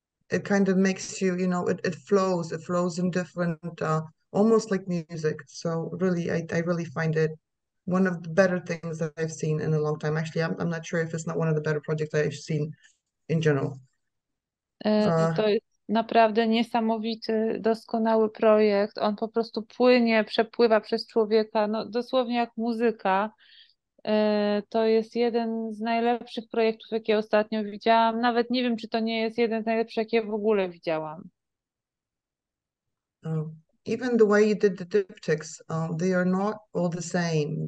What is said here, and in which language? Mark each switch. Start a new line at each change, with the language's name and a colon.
English: It kind of makes you, you know, it flows. It flows in different, almost like music. So really, I really find it one of the better things that I've seen in a long time. Actually, I'm not sure if it's not one of the better projects I've seen in general.
Polish: To jest naprawdę niesamowity, doskonały projekt. On po prostu płynie, przepływa przez człowieka, no, dosłownie jak muzyka. To jest jeden z najlepszych projektów, jakie ostatnio widziałam. Nawet nie wiem, czy to nie jest jeden z najlepszych, jakie w ogóle widziałam.
English: Even the way you did the diptychs, they are not all the same.